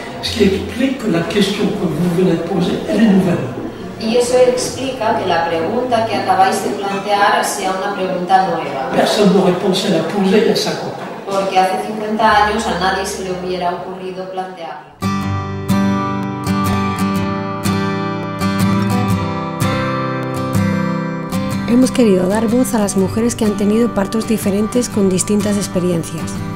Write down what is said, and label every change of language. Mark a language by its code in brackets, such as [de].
[fr] Ce qui explique que la question que vous venez de poser elle est nouvelle. [es] Y eso explica que la pregunta que acabáis de plantear sea una pregunta nueva. [fr] Personne n'aurait pensé la poser il y a 50 ans. [es] Porque hace 50 años a nadie se le hubiera ocurrido plantearla. Hemos querido dar voz a las mujeres que han tenido partos diferentes con distintas experiencias.